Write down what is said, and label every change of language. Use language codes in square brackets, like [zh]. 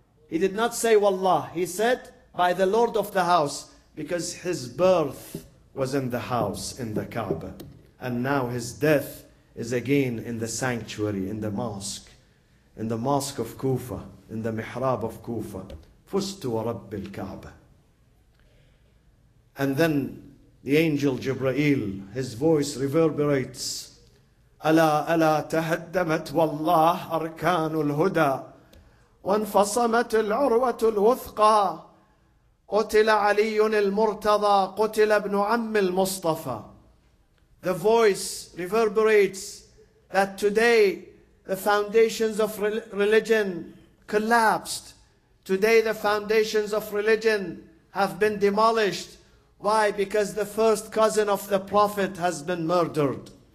[en] He did not say Wallah. He said by the Lord of the house, because his birth was in the house, in the Kaaba. And now his death is again in the sanctuary, in the mosque of Kufa, in the mihrab of Kufa. [ar] فُسْتُ وَرَبِّ الْكَعْبَةِ. [en] And then the angel Jibreel, his voice reverberates, [ar] أَلَا أَلَا تَهَدَّمَتْ وَاللَّهِ أَرْكَانُ الْهُدَى وَانْفَصَمَتِ الْعُرْوَةُ الْوُثْقَى قُتِلَ عَلِيٌّ الْمُرْتَضَى قُتِلَ ابْنُ عَمِّ الْمُصْطَفَى. [en] The voice reverberates that today the foundations of religion collapsed. Today the foundations of religion have been demolished. Why? Because the first cousin of the Prophet has been murdered.